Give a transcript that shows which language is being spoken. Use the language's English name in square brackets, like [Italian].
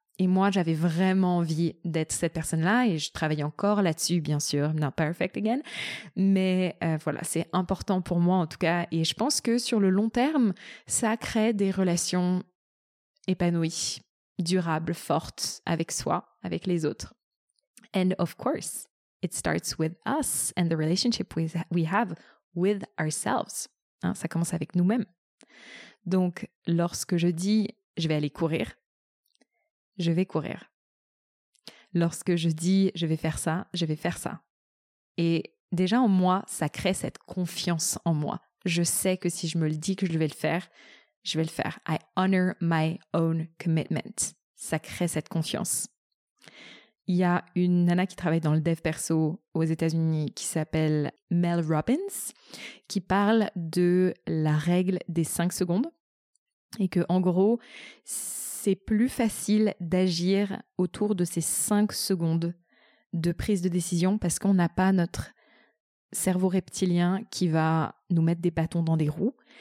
[French] Et moi, j'avais vraiment envie d'être cette personne-là et je travaille encore là-dessus, bien sûr. [English] Not perfect again. [French] Mais voilà, c'est important pour moi en tout cas. Et je pense que sur le long terme, ça crée des relations épanouies, durables, fortes avec soi, avec les autres. [English] And of course, it starts with us and the relationship we have with ourselves. [French] Hein, ça commence avec nous-mêmes. Donc, lorsque je dis « je vais aller courir », je vais courir. Lorsque je dis « je vais faire ça », je vais faire ça. Et déjà en moi, ça crée cette confiance en moi. Je sais que si je me le dis que je vais le faire, je vais le faire. [English] I honor my own commitment. [French] Ça crée cette confiance. Il y a une nana qui travaille dans le dev perso aux États-Unis qui s'appelle Mel Robbins, qui parle de la règle des 5 secondes. Et que en gros, c'est plus facile d'agir autour de ces 5 secondes de prise de décision parce qu'on n'a pas notre cerveau reptilien qui va nous mettre des bâtons dans des roues.